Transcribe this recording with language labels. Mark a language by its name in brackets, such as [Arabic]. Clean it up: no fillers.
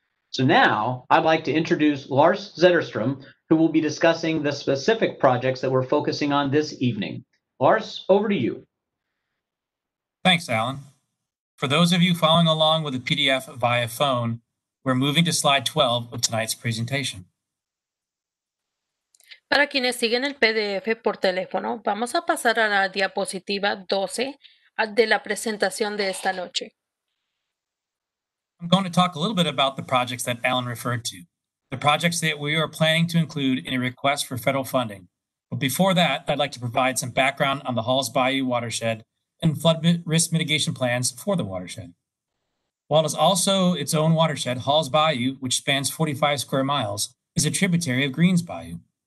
[English] So now, I'd like to introduce Lars Zetterstrom, who will be discussing the specific projects that we're focusing on this evening. Lars, over to you. Thanks, Alan. For those of you following along with the PDF via phone, we're moving to slide 12 of tonight's presentation. [Spanish] Para quienes siguen el PDF por teléfono, vamos a pasar a la diapositiva 12 de la presentación de esta noche. [English] I'm going to talk a little bit about the projects that Alan referred to, the projects that we are planning to include in a request for federal funding. But before that, I'd like to provide some background on the Halls Bayou watershed and flood risk mitigation plans for the watershed. While it is also its own watershed, Halls Bayou, which spans 45 square miles, is a tributary of Greens Bayou.